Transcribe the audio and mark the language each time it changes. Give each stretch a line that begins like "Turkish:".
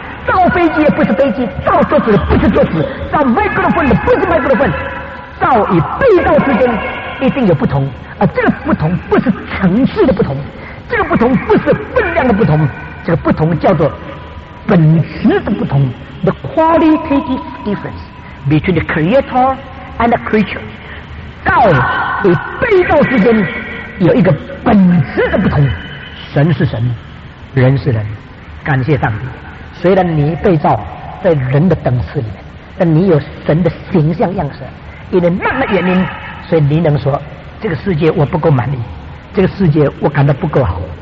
Chinese: 造飞机也不是飞机，造桌子的不是桌子，造麦克风的不是麦克风。造与被造之间一定有不同，而这个不同不是层次的不同，这个不同不是分量的不同，这个不同叫做本质的不同。
English: The qualitative difference between the creator and the creature。
Chinese: 造与被造之间有一个本质的不同，神是神，人是人。感谢上帝，虽然你被造在人的等次里面，但你有神的形象样式。因为那个原因，所以你能说这个世界我不够满意，这个世界我感到不够好。